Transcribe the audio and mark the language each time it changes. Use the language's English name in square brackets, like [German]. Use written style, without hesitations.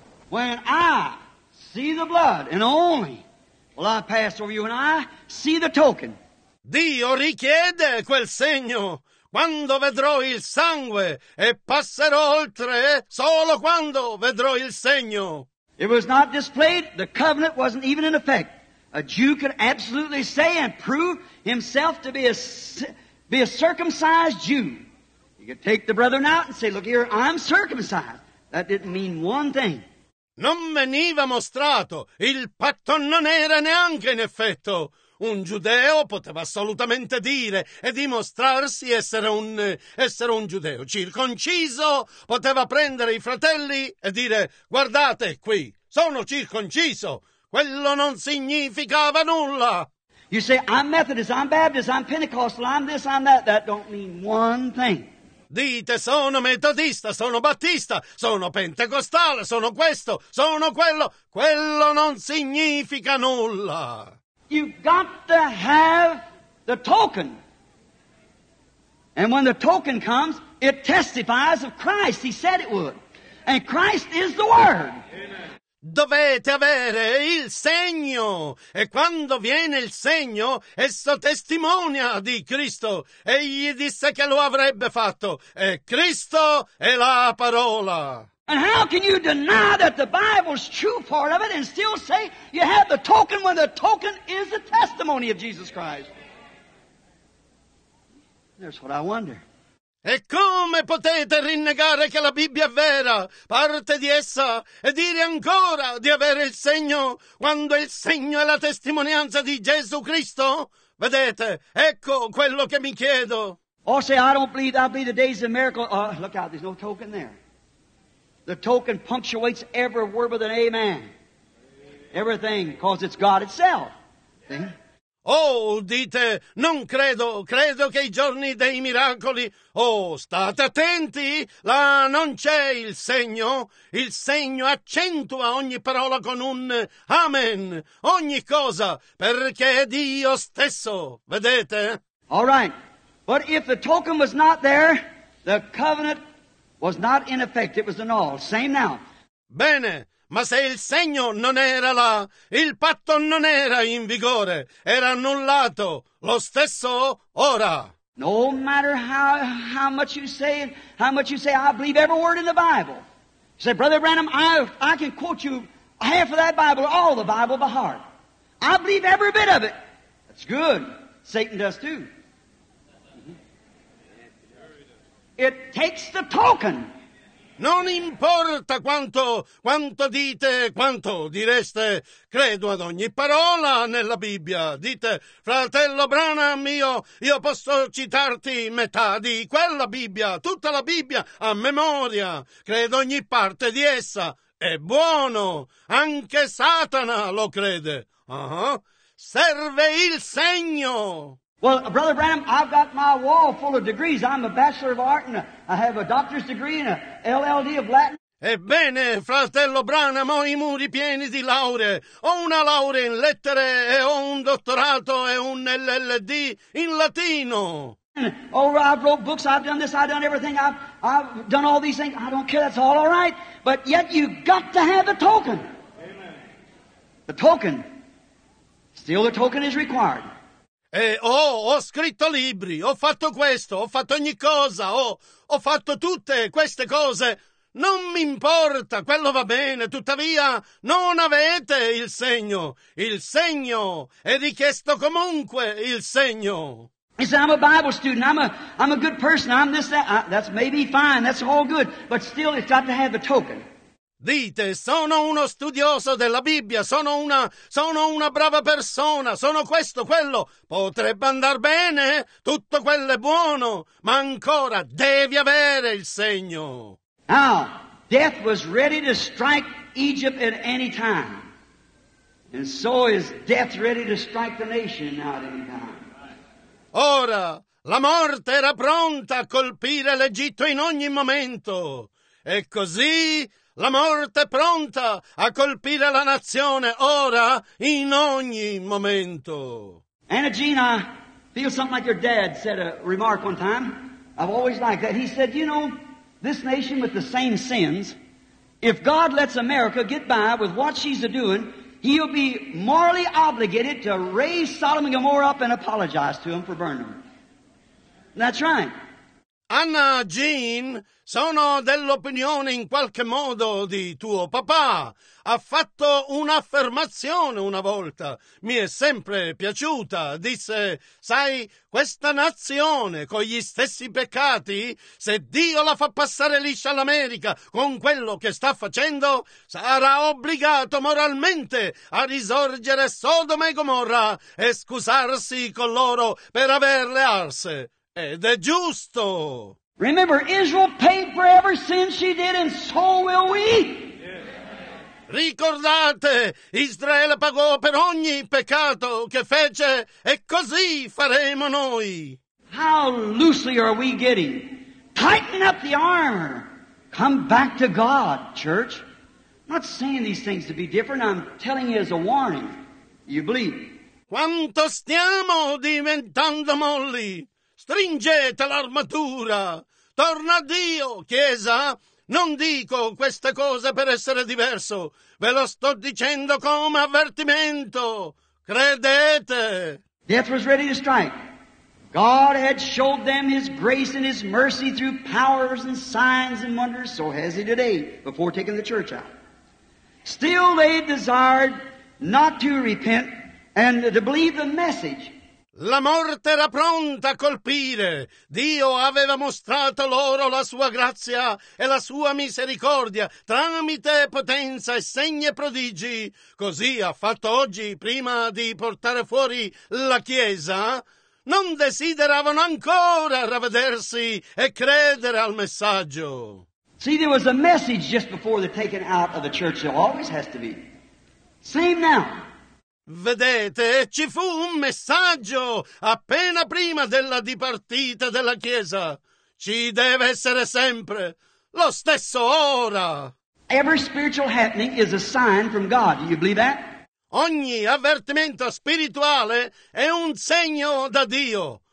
[English] When I see the blood and only will I pass over you, when I see the token. [Italian] Dio richiede quel segno. Quando vedrò il sangue e passerò oltre, solo quando vedrò il segno. [English] It was not displayed, the covenant wasn't even in effect. A Jew could absolutely say and prove himself to be a circumcised Jew. You could take the brethren out and say, look here, I'm circumcised. That didn't mean one thing. [Italian] Non veniva mostrato, il patto non era neanche in effetto. Un giudeo poteva assolutamente dire e dimostrarsi essere un giudeo. Circonciso poteva prendere i fratelli e dire, guardate qui, sono circonciso. Quello non significava nulla. [English] You say, I'm Methodist, I'm Baptist, I'm Pentecostal, I'm this, I'm that. That don't mean one thing. [Italian] Dite, sono metodista, sono battista, sono pentecostale, sono questo, sono quello. Quello non significa nulla. [English] You've got to have the token. And when the token comes, it testifies of Christ. He said it would. And Christ is the Word. Amen. [Italian] Dovete avere il segno. E quando viene il segno, esso testimonia di Cristo. Egli disse che lo avrebbe fatto. E Cristo è la parola. [English] And how can you deny that the Bible's true part of it and still say you have the token when the token is the testimony of Jesus Christ? That's what I wonder. [Italian] E come potete rinnegare che la Bibbia è vera, parte di essa, e dire ancora di avere il segno quando il segno è la testimonianza di Gesù Cristo? Vedete, ecco quello che mi chiedo. [English] Oh, say, I don't believe, I'll be the days of miracle. Oh, look out, there's no token there. The token punctuates every word with an amen. Everything, because it's God itself. See? [Italian] Oh, dite, non credo, credo che i giorni dei miracoli... Oh, state attenti, là non c'è il segno. Il segno accentua ogni parola con un amen. Ogni cosa, perché è Dio stesso, vedete? [English] All right, but if the token was not there, the covenant was not in effect, it was an all. Same now. [Italian] Bene, ma se il segno non era là, il patto non era in vigore, era annullato, lo stesso ora. [English] No matter how much you say, I believe every word in the Bible. You say, Brother Branham, I can quote you half of that Bible, all the Bible by heart. I believe every bit of it. That's good. Satan does too. It takes the token. [Italian] Non importa quanto dite, quanto direste, credo ad ogni parola nella Bibbia. Dite, fratello Branham mio, io posso citarti metà di quella Bibbia, tutta la Bibbia a memoria. Credo ogni parte di essa. È buono. Anche Satana lo crede. Serve il segno. [English] Well, Brother Branham, I've got my wall full of degrees. I'm a bachelor of art, and I have a doctor's degree and a LLD of Latin. [Italian] Ebbene, fratello Branham, ho i muri pieni di lauree. Ho una laurea in lettere, e ho un dottorato e un LLD in latino. [English] Oh, I've wrote books, I've done this, I've done everything, I've done all these things. I don't care, that's all right. But yet you've got to have a token. Amen. The token. Still the token is required. [Italian] E ho scritto libri, ho fatto questo, ho fatto ogni cosa, ho fatto tutte queste cose. Non mi importa, quello va bene, tuttavia non avete il segno. Il segno è richiesto comunque, il segno. [English] He said, I'm a Bible student, I'm a good person, I'm this, that. That's maybe fine, that's all good, but still it's got to have the token. [Italian] Dite, sono uno studioso della Bibbia, sono una brava persona, sono questo, quello. Potrebbe andar bene, tutto quello è buono, ma ancora devi avere il segno. [English] Now, death was ready to strike Egypt at any time. And so is death ready to strike the nation now at any time. [Italian] Ora, la morte era pronta a colpire l'Egitto in ogni momento. E così la morte è pronta a colpire la nazione ora in ogni momento. [English] Anna Jean, I feel something like your dad said a remark one time. I've always liked that. He said, you know, this nation with the same sins, if God lets America get by with what she's doing, he'll be morally obligated to raise Sodom and Gomorrah up and apologize to him for burning them. That's right. [Italian] Anna Jean, sono dell'opinione in qualche modo di tuo papà. Ha fatto un'affermazione una volta, mi è sempre piaciuta. Disse, sai, questa nazione con gli stessi peccati, se Dio la fa passare liscia all'America con quello che sta facendo, sarà obbligato moralmente a risorgere Sodoma e Gomorra e scusarsi con loro per averle arse. Ed è giusto! [English] Remember, Israel paid for every sin she did, and so will we. [Italian] Ricordate, Israele pagò per ogni peccato che fece, e così faremo noi. [English] How loosely are we getting? Tighten up the armor. Come back to God, church. I'm not saying these things to be different. I'm telling you as a warning. You believe? [Italian] Quanto stiamo diventando molli? Stringete l'armatura. Torna a Dio, Chiesa. Non dico queste cose per essere diverso. Ve lo sto dicendo come avvertimento. Credete. [English] Death was ready to strike. God had showed them his grace and his mercy through powers and signs and wonders. So has he today, before taking the church out. Still they desired not to repent and to believe the message. [Italian] La morte era pronta a colpire. Dio aveva mostrato loro la sua grazia e la sua misericordia tramite potenza e segni e prodigi. Così ha fatto oggi, prima di portare fuori la Chiesa. Non desideravano ancora ravvedersi e credere al messaggio. [English] See, there was a message just before the taking out of the church. There always has to be. Same now. [Italian] Vedete, ci fu un messaggio appena prima della dipartita della Chiesa. Ci deve essere sempre lo stesso ora. [English] Every spiritual happening is a sign from God. Do you believe that? [Italian] Ogni avvertimento spirituale è un segno da Dio.